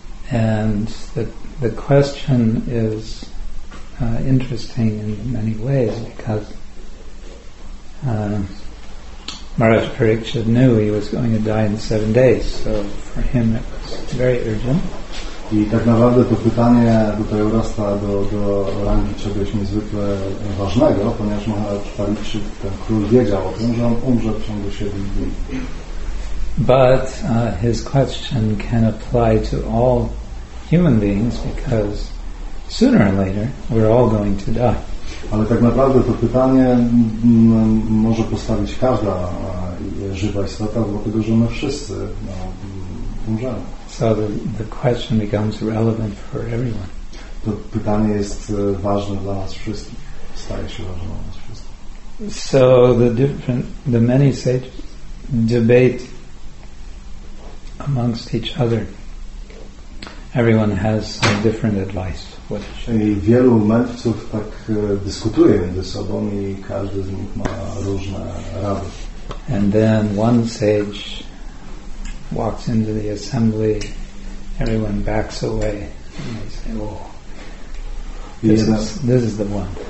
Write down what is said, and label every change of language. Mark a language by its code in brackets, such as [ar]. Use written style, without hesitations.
[en] And the question is interesting in many ways, because Maharaj Parikshit knew he was going to die in 7 days, so for him it was very urgent. [pl] I tak naprawdę to pytanie tutaj urasta do rangi czegoś niezwykle ważnego, ponieważ Maharaj Parikshit, ten król, wiedział o tym, że on umrze w ciągu 7 dni. [en] But his question can apply to all human beings, because sooner or later we're all going to die. [pl] Ale tak naprawdę to pytanie może postawić każda żywa istota, dlatego że my wszyscy umrzemy. [en] So the question becomes relevant for everyone. [pl] To pytanie jest ważne dla nas wszystkich. Staje się ważne dla nas wszystkich. [en] So the many sages debate amongst each other. Everyone has some different advice. [pl] I wielu mędrców tak dyskutuje między sobą i każdy z nich ma różne rady. [en] And then one sage walks into the assembly, everyone backs away, and they say, oh, this is the one.